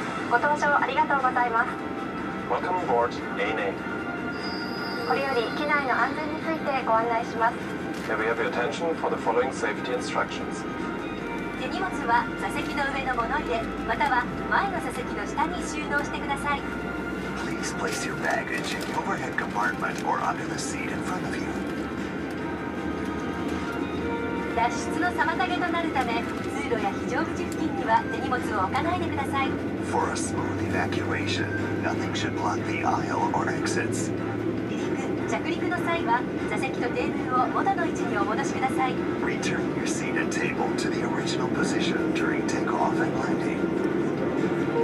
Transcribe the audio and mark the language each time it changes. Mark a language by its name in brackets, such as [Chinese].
[Japanese] ご搭乗ありがとうございます。 [English] Welcome aboard, ANA. [Japanese] これより機内の安全についてご案内します。 [English] May we have your attention for the following safety instructions。 [Japanese] 手荷物は座席の上の物入れまたは前の座席の下に収納してください。 [English] Please place your baggage in the overhead compartment or under the seat in front of you. [Japanese] 脱出の妨げとなるため、通路や非常口付近には手荷物を置かないでください。 [English] For a smooth evacuation, nothing should block the aisle or exits. [Japanese] 離陸、着陸の際は座席とテーブルを元の位置にお戻しください。 [English] Return your seat and table to the original position during takeoff and landing.